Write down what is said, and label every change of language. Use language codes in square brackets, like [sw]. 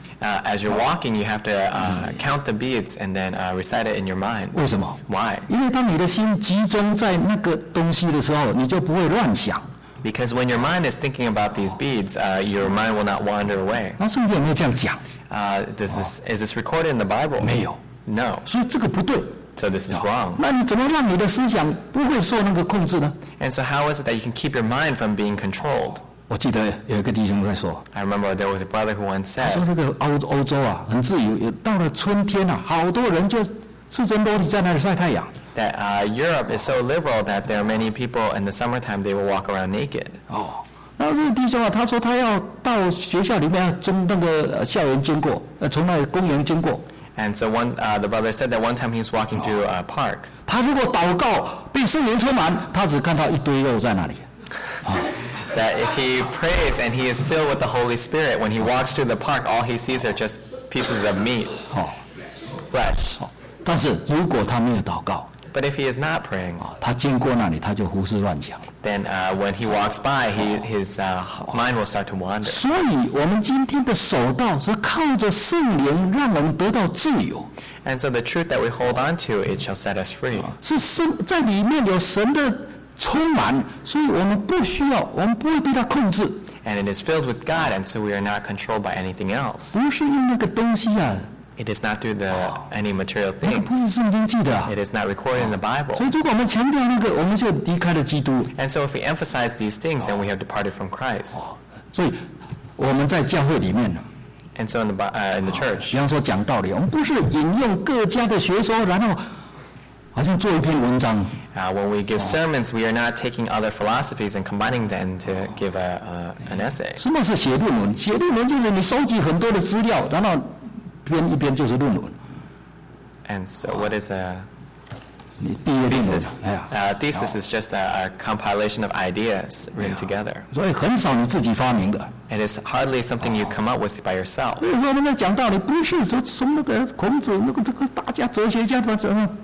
[en] As you're walking, you have to count the beads and then recite it in your mind. [zh] 为什么 [en] ？Why？ [zh] 因为当你的心集中在那个东西的时候，你就不会乱想。 [en] Because when your mind is thinking about these beads, your mind will not wander away. [zh] 那圣经有没有这样讲？ [en] Is this recorded in the Bible？ [zh] 没有。 [en] No。 [zh] 所以这个不对。 [en] So this is wrong. [zh] 那你怎么让你的思想不会受那个控制呢 [en] ？And so how is it that you can keep your mind from being controlled？ [zh] 我记得有一个弟兄在说 [en] ，I remember there was a brother who once said， [zh] 他说这个欧洲啊很自由，到了春天好多人就赤身裸体在那里晒太阳。 [en] That Europe is so liberal that there are many people in the summertime they will walk around naked。 [zh] 那这个弟兄他说他要到学校里面从那个校园经过，从那个公园经过。 [en] And so one the brother said that one time he was walking through a park。 [zh] 他如果祷告被圣灵充满，他只看到一堆肉在那里。 [en] That if he prays and he is filled with the Holy Spirit, when he walks through the park, all he sees are just pieces of meat, flesh. [zh] 但是如果他没有祷告 [en] But if he is not praying, [zh] 他经过那里他就胡思乱想 [en] Then when he walks by, mind will start to wander. [zh] 所以我们今天的守道是靠着圣灵让我们得到自由 [en] And so the truth that we hold on to, it shall set us free. [zh] 是神在里面有神的充满，所以我们不需要，我们不会被他控制。 [en] And it is filled with God, and so we are not controlled by anything else. [zh] 不是因为那个东西啊。 [en] It is not through the any material things. [zh] 那不是圣经记的。 [en] It is not recorded in the Bible. [zh] 所以如果我们强调那个，我们就离开了基督。 [en] And so if we emphasize these things, then we have departed from Christ. [zh] 所以我们在教会里面呢。 [en] And so in the church. [zh] 比方说讲道理，我们不是引用各家的学说，然后。好像做一篇文章。 [en] When we give sermons, we are not taking other philosophies and combining them to give an essay. [zh] 什么是写论文？写论文就是你收集很多的资料，然后编一编就是论文。 [en] And so, what is a thesis? Thesis is just a compilation of ideas written together. [zh] 所以很少你自己发明的。 [en] It is hardly something you come up with by yourself. [zh] 所以我们在讲道理，不是说从那个孔子那个这个大家哲学家不怎么。